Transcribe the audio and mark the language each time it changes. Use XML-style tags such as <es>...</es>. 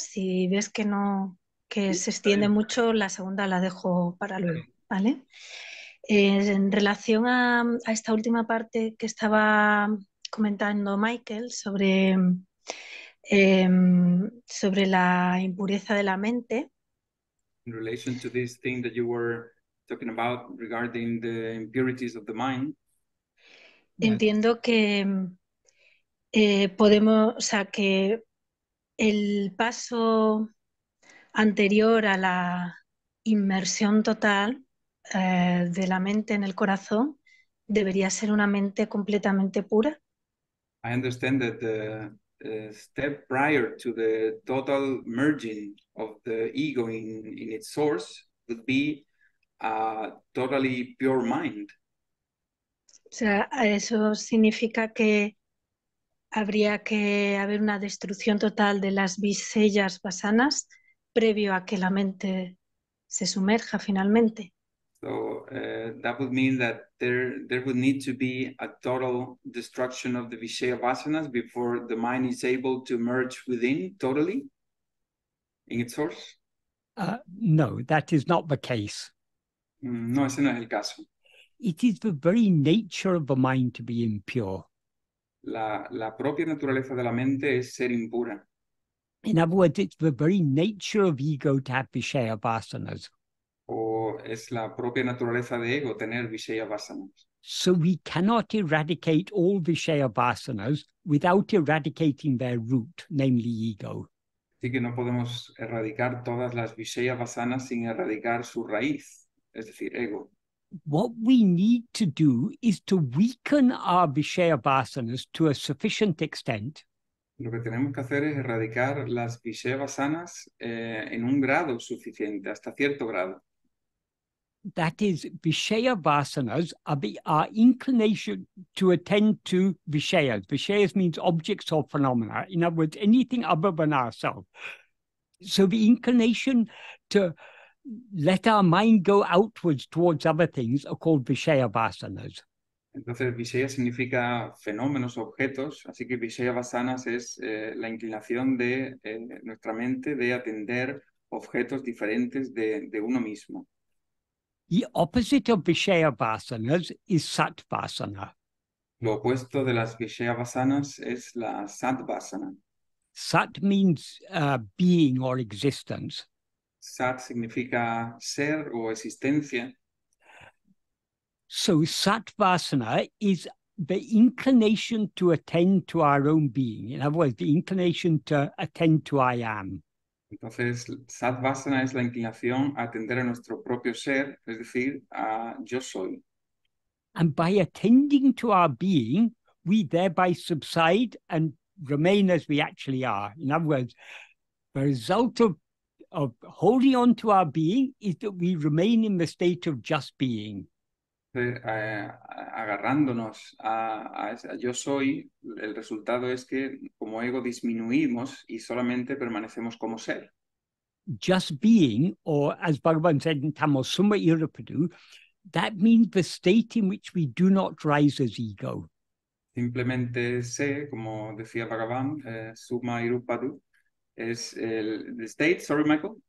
<es>Si ves que no, que sí, se extiende mucho, la segunda la dejo para luego, ¿vale? En relación a esta última parte que estaba comentando Michael sobre la impureza de la mente.</es> <en>In relation to this thing that you were talking about regarding the impurities of the mind.</en> <es>Entiendo que podemos, o sea, que el paso anterior a la inmersión total de la mente en el corazón debería ser una mente completamente pura.</es> <en>I understand that the step prior to the total merging of the ego in its source would be a totally pure mind.</en> <es>O sea, eso significa que habría que haber una destrucción total de las visellas vasanas previo a que la mente se sumerja finalmente.</es> <en>So that would mean that there would need to be a total destruction of the vishaya vasanas before the mind is able to merge within totally in its source? No, that is not the case.</en> <es>No, ese no es el caso.</es> <en>It is the very nature of the mind to be impure.</en> <es>La propia naturaleza de la mente es ser impura.</es> <en>In other words, it's the very nature of ego to have vishaya vasanas.</en> <es>O es la propia naturaleza de ego tener vishaya vasanas.</es> <en>So we cannot eradicate all vishaya vasanas without eradicating their root, namely ego.</en> <es>Sí que no podemos erradicar todas las viṣeya vasanas sin erradicar su raíz, es decir, ego.</es> <en>What we need to do is to weaken our viṣeya vasanas to a sufficient extent.</en> <es>Lo que tenemos que hacer es erradicar las viṣeya vasanas en un grado suficiente, hasta cierto grado.</es> <en>That is, viṣeya vasanas are inclination to attend to viṣeyas. Viṣeyas means objects or phenomena. In other words, anything other than ourselves. So the inclination to let our mind go outwards towards other things are called viṣeya vasanas.</en> <es>Entonces, viṣeya significa fenómenos, objetos. Así que viṣeya vasanas es la inclinación de nuestra mente de atender objetos diferentes de uno mismo.</es> <en>The opposite of viṣeya vasanas is sattvasana.</en> <es>Lo opuesto de las viṣeya vasanas es la sattvasana.</es> <en>Sat means being or existence.</en> <es>Sat significa ser o existencia.</es> <en>So sattvasana is the inclination to attend to our own being. In other words, the inclination to attend to I am.</en> <es>Entonces, sattvasana es la inclinación a atender a nuestro propio ser, es decir, a yo soy.</es> <en>And by attending to our being, we thereby subside and remain as we actually are. In other words, the result of holding on to our being is that we remain in the state of just being.</en> <es>Agarrándonos a yo soy, el resultado es que como ego disminuimos y solamente permanecemos como ser.</es> <en>Just being, or as Bhagavan said in Tamil, summa irupadu, that means the state in which we do not rise as ego.</en> <es>Simplemente sé, como decía Bhagavan, summa irupadu, es</es> <en>the state, sorry Michael,</en>